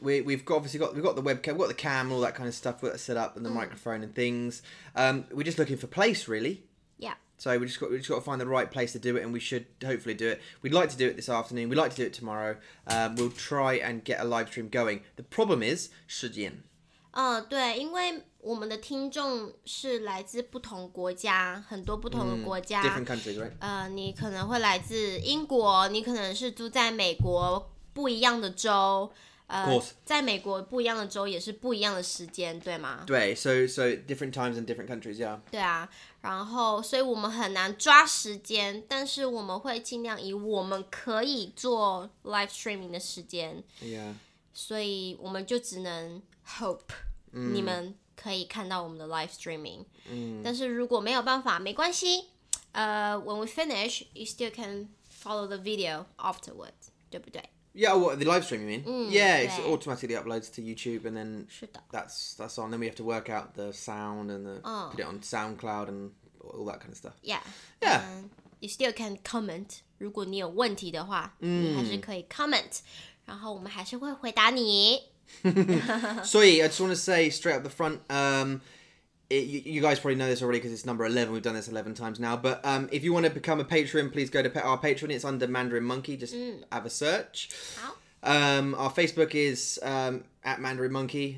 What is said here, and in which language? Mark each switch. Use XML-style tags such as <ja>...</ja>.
<en>We've got the webcam, we've got the cam, all that kind of stuff we've got set up, and the microphone and things. We're just looking for place, really. Yeah. So we just got to find the right place to do it, and we should hopefully do it. We'd like to do it this afternoon. We'd like to do it tomorrow. We'll try and get a live stream going. The problem is 时间。</en> <zh>对，因为我们的听众是来自不同国家，很多不同的国家。</zh> <en>Different countries, right?</en> <zh>你可能会来自英国，你可能是住在美国不一样的州。在美国不一样的州也是不一样的时间，对吗？</zh> <en>对 ，so different times in different countries, yeah.</en> <zh>对啊，然后所以我们很难抓时间，但是我们会尽量以我们可以做 live streaming 的时间。</zh> <en>Yeah.</en> <zh>所以我们就只能 hope 你们可以看到我们的 live streaming。嗯。但是如果没有办法，没关系。</zh> <en>When we finish, you still can follow the video afterwards,</en> <zh>对不对？</zh> <en>Yeah, what, the live stream, you mean? Yeah, it automatically uploads to YouTube, and then that's on. Then we have to work out the sound and put it on SoundCloud and all that kind of stuff. Yeah. Yeah. You still can comment.</en> <zh>如果你有问题的话，你还是可以 comment. 然后我们还是会回答你。所以</zh> <en>I just want to say straight up the front, you guys probably know this already because it's number 11. We've done this 11 times now. But if you want to become a patron, please go to our Patreon. It's under Mandarin Monkey. Just have a search. Our Facebook is at Mandarin Monkey.</en>